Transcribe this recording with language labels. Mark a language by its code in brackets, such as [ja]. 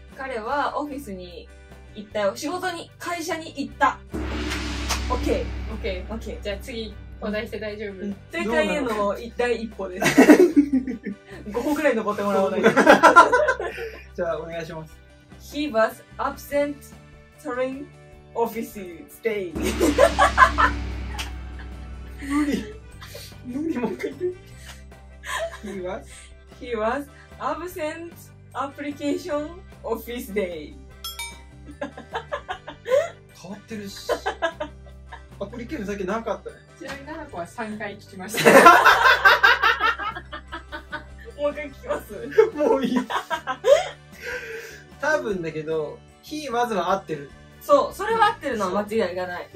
[ja] 彼はオフィスに行ったよ。仕事に、会社に行った。OK じゃあ次お題して大丈夫。正解への第一歩です。 5歩くらい登ってもらおうと。じゃあお願いします。 [en] He was absent during office stay。 [ja] 無理何も言って。 [en] He was absent application office day。 [ja] 変わってるし。アプリケーションだけなかったね。ちなみに奈々子は3回聞きました。もう一回聞きます。もういい。多分だけど [en] He was [ja] は合ってる。そう、それは合ってるのは間違いがない。